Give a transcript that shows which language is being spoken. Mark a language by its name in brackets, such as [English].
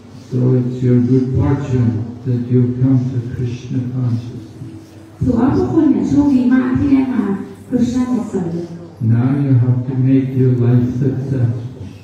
[English] So it's your good fortune. That you come to Krishna consciousness. [Thai] ถือว่าทุกคนเนี่ยโชคดีมากที่ได้มา [English] Now you have to make your life successful.